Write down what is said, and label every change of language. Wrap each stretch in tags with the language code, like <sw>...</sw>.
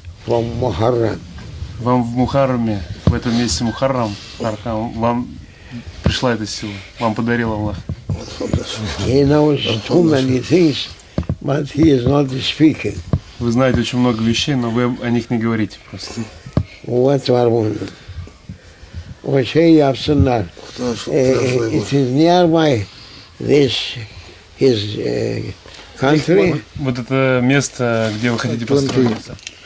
<ru>Вам в Мухарраме, в этом месте Мухаррам, Аркам, вам пришла эта сила, вам подарил Аллах.</ru> <en>He knows too many things, but he is not speaking.</en> <ru>Вы знаете очень много вещей, но вы о них не говорите просто. Вот варвун. Очень ясно.</ru> <en>It is nearby this his country.</en> <ru>Вот это место, где вы хотите построиться.</ru>